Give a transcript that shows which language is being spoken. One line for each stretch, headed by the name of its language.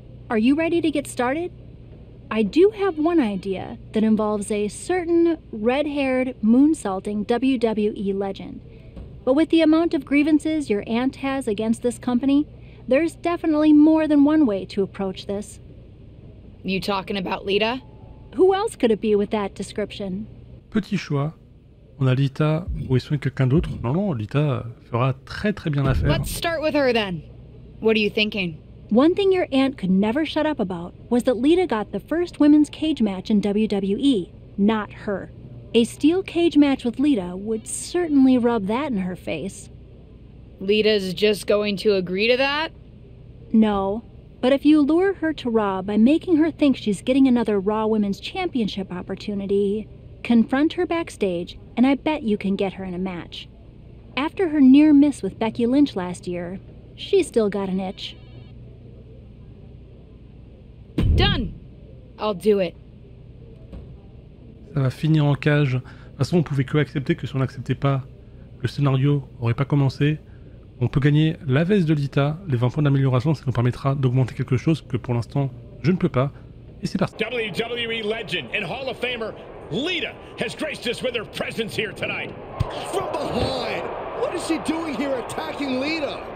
English: Are you ready to get started? I do have one idea that involves a certain red-haired, moonsaulting WWE legend. But with the amount of grievances your aunt has against this company, there's definitely more than one way to approach this. You talking about Lita? Who else could it be with that description?
French: Petit choix. On a Lita, ou est-ce quelqu'un d'autre? Non, non, Lita fera très très bien l'affaire.
English: Let's start with her then. What are you thinking? One thing your aunt could never shut up about was that Lita got the first women's cage match in WWE, not her. A steel cage match with Lita would certainly rub that in her face. Lita's just going to agree to that? No. But if you lure her to Raw by making her think she's getting another Raw Women's Championship opportunity, confront her backstage, and I bet you can get her in a match. After her near miss with Becky Lynch last year, she's still got an itch. Done! I'll do it.
French: Ça va finir en cage. façon, on pouvait que accepter que si on n'acceptait pas, le scénario n'aurait pas commencé. On peut gagner la veste de Lita, les 20 points d'amélioration, ça nous permettra d'augmenter quelque chose que pour l'instant, je ne peux pas. Et c'est parti.
English: WWE Legend and Hall of Famer Lita has graced us with her presence here tonight. From behind, what is she doing here attacking Lita?